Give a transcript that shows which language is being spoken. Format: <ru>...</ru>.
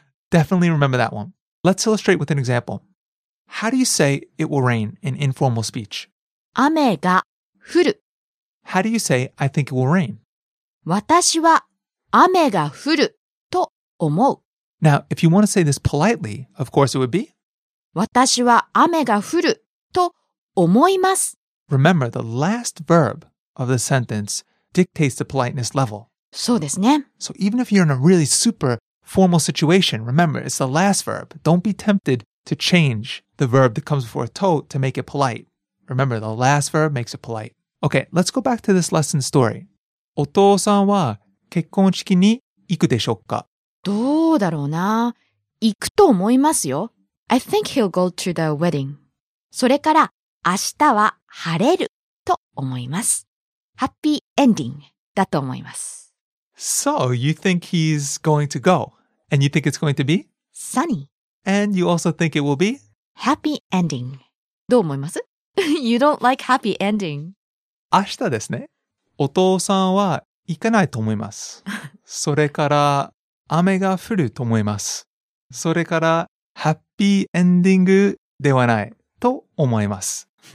<en>Definitely remember that one. Let's illustrate with an example. How do you say it will rain in informal speech?</en> <ja>雨が降る.</ja> <en>How do you say I think it will rain?</en> <ja>私は雨が降ると思う.</ja> <en>Now, if you want to say this politely, of course it would be</en> <ja>私は雨が降ると思います.</ja> <en>Remember, the last verb of the sentence dictates the politeness level.</en> <ja>そうですね.</ja> <en>So even if you're in a really super formal situation, remember, it's the last verb. Don't be tempted to change the verb that comes before to to make it polite. Remember, the last verb makes it polite. Okay, let's go back to this lesson story.</en> <ja>お父さんは結婚式に行くでしょうか? どうだろうな。行くと思いますよ。</ja> <en>I think he'll go to the wedding.</en> <ja>それから明日は晴れると思います。</ja> <en>Happy ending</en> <ja>だと思います。</ja> <en>So, you think he's going to go? And you think it's going to be? Sunny. And you also think it will be? Happy ending.</en> <ja>どう思います?</ja> <en>You don't like happy ending.</en> <ja>明日ですね。お父さんは行かないと思います。それから雨が降ると思います。それから</ja> <en>happy ending</en> <ja>ではないと思います。</ja>